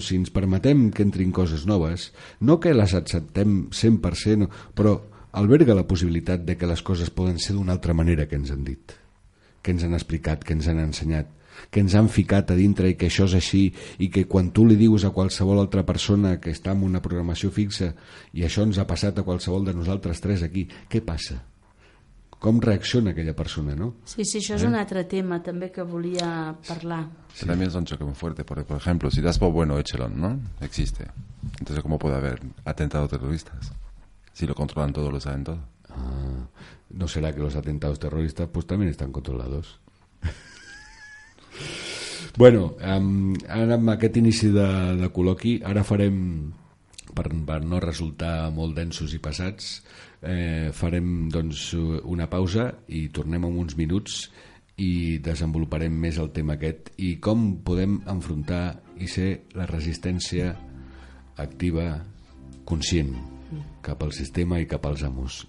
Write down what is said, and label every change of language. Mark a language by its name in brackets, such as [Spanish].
[Catalan] Si ens permetem que entrin coses noves, no que les acceptem 100%, no, però alberga la possibilitat de que les coses poden ser d'una altra manera que ens han dit, que ens han explicat, que ens han ensenyat, que ens han ficat a dintre i que això és així, i que quan tu li dius a qualsevol altra persona que està en una programació fixa, i això ens ha passat a qualsevol de nosaltres tres aquí, què passa? Com reacciona aquella persona, no? Sí, sí, això és un altre tema també que volia parlar. Sí. També és un xoc molt fort, perquè, per exemple, [Spanish] si das por bueno, [Catalan] échelon, no? [Spanish] Existe. Entonces, ¿cómo puede haber atentados terroristas? Si lo controlan todo, lo saben todo. ¿No será que los atentados terroristas pues también están controlados? [Catalan] Bueno, ara amb aquest inici de col·loqui, ara farem, per no resultar molt densos i pesats, farem doncs una pausa i tornem en uns minuts i desenvoluparem més el tema aquest i com podem enfrontar i ser la resistència activa, conscient, cap al sistema i cap als amos.